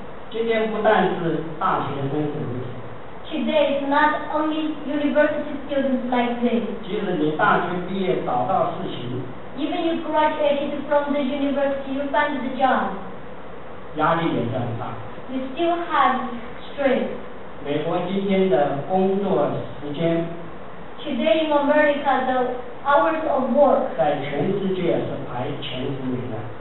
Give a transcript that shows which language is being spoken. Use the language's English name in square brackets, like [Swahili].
[Chinese] 今天不但是大学生如此。 [English] Today is not only university students like this. [Chinese] 即使你大学毕业找到事情。 [English] Even you graduated from the university, you find the job. [Chinese] 压力也是很大。 [English] You still have stress. [Chinese] 美国今天的工作时间。 [English] Today in America, the hours of work. [Chinese] 在全世界是排前十名的。